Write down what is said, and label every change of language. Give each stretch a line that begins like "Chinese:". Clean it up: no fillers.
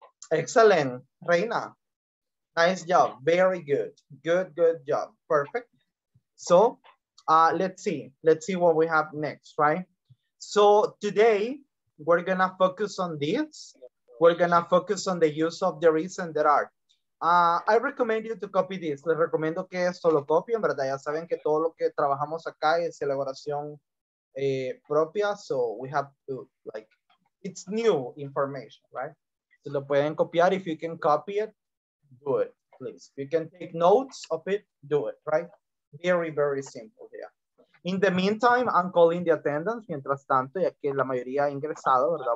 English: Excellent, Reina. Nice job. Very good. Good, good job. Perfect. So let's see what we have next, right? So today we're gonna focus on this. We're gonna focus on the use of the reason there are. I recommend you to copy this.
Spanish: Les recomiendo que esto lo copien, ¿verdad? Ya saben que todo lo que trabajamos acá es elaboración propia.
English: So we have to, like, it's new information, right?
Spanish: Si lo pueden copiar,
English: if you can copy it, do it, please. If you can take notes of it, do it, right? Very, very simple here. In the meantime, I'm calling the attendance.
Spanish: Mientras tanto, ya que la mayoría ha ingresado, ¿verdad?